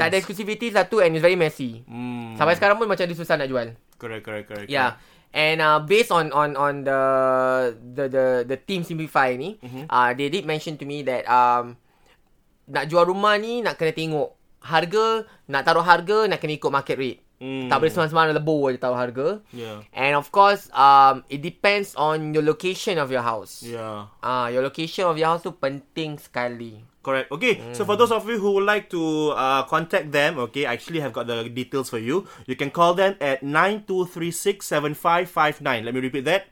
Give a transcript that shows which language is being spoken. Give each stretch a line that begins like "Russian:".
Malay: Tak ada exclusivity lah tu,
English: and it's very messy.
Malay: Sampai sekarang pun macam dia susah nak jual.
English: Correct. Yeah. And based on the team Simplify ni, they did mention to me that
Malay: nak jual rumah ni nak kena tengok harga, nak taruh harga nak kena ikut market rate. Tak boleh semangat lebur je taruh harga.
English: Yeah. And of course, it depends on your location of your house. Yeah. Your location of your house
Malay: tu penting sekali.
English: Correct. Okay. So for those of you who would like to contact them, okay, I actually have got the details for you. You can call them at 9236-7559. Let me repeat that.